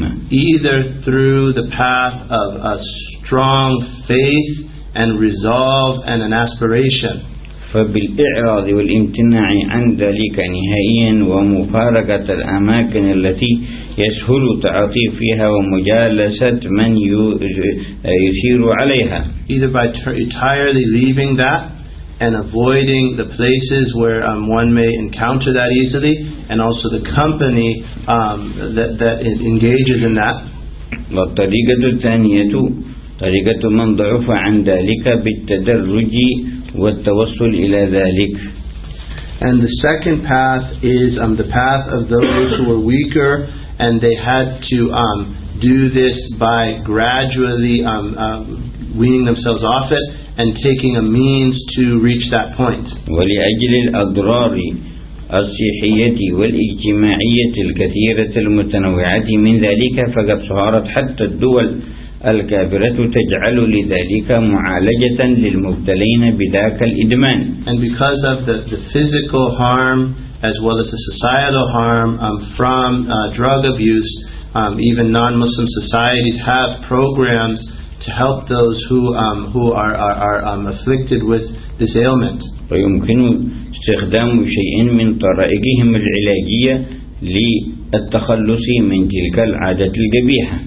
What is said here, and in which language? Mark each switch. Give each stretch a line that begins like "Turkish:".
English: Either through the path of a strong faith and resolve and an aspiration.
Arabic: فبالإعراض والامتناع عن ذلك نهائيا ومفارقة الأماكن التي يسهل تعاطي فيها ومجالسة من يثير عليها.
English: Either by entirely leaving that and avoiding the places where one may encounter that easily, and also the company that engages in that.
Arabic: والطريقة الثانية طريقة من ضعف عن ذلك بالتدرج والتوصل إلى ذلك.
English: And the second path is the path of those who were weaker, and they had to do this by gradually weaning themselves off it and taking a means to reach that point.
Arabic: ولأجل الأضرار الصحية والاجتماعية الكثيرة المتنوعة من ذلك فقد صارت حتى الدول الكافرة تجعل لذلك معالجة للمبتلين بذاك الإدمان.
English: And because of the physical harm as well as the societal harm from drug abuse, even non-Muslim societies have programs to help those who are afflicted with this ailment.
Arabic: ويمكن استخدام شيء من طرائقهم العلاجية للتخلص من تلك العادة القبيحة.